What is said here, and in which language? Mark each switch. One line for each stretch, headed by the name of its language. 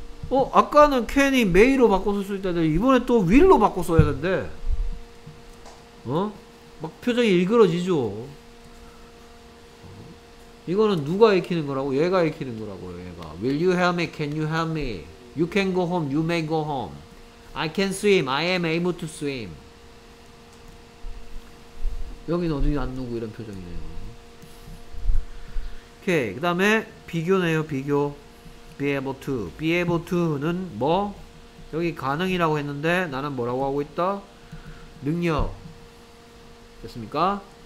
Korean: 어? 아까는 can이 may로 바꿔 쓸 수 있다는데 이번에 또 will로 바꿔 써야 된대. 어? 막 표정이 일그러지죠. 이거는 누가 읽히는 거라고? 얘가 읽히는 거라고요. 얘가
English: will you help me? can you help me? you can go home, you may go home. I can swim, I am able to swim.
Korean: 여긴 어디 안 누구 이런 표정이네요. 오케이. 그 다음에 비교네요. 비교. Be able to. Be able to는 뭐? 여기 가능이라고 했는데 나는 뭐라고 하고 있다? 능력. 됐습니까?